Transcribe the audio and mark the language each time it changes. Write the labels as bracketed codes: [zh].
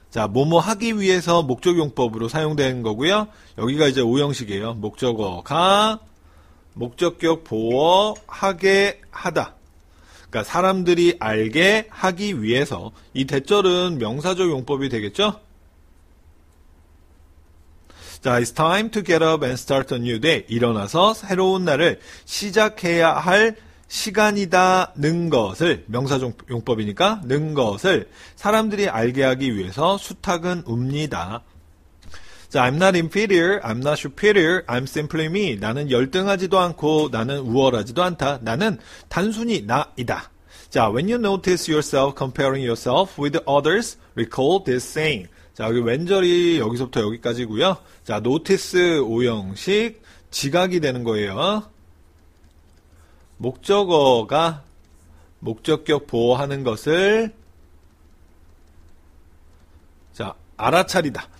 [ko] 자, 뭐뭐 하기 위해서 목적용법으로 사용된 거고요. 여기가 이제 5형식이에요. 목적어가 목적격 보호하게 하다. 그러니까 사람들이 알게 하기 위해서. 이 대절은 명사적 용법이 되겠죠? [en] 자, it's time to get up and start a new day. [ko] 일어나서 새로운 날을 시작해야 할 시간이다 는 것을 명사적 용법이니까 는 것을 사람들이 알게 하기 위해서 수탁은 웁니다. [en] 자, I'm not inferior, I'm not superior, I'm simply me. [ko] 나는 열등하지도 않고 나는 우월하지도 않다. 나는 단순히 나이다. [en] 자, when you notice yourself comparing yourself with others, recall this saying. [ko] 자, 여기 왼절이 여기서부터 여기까지고요. 자, notice 5형식 지각이 되는 거예요. 목적어가 목적격 보호하는 것을 자, 알아차리다.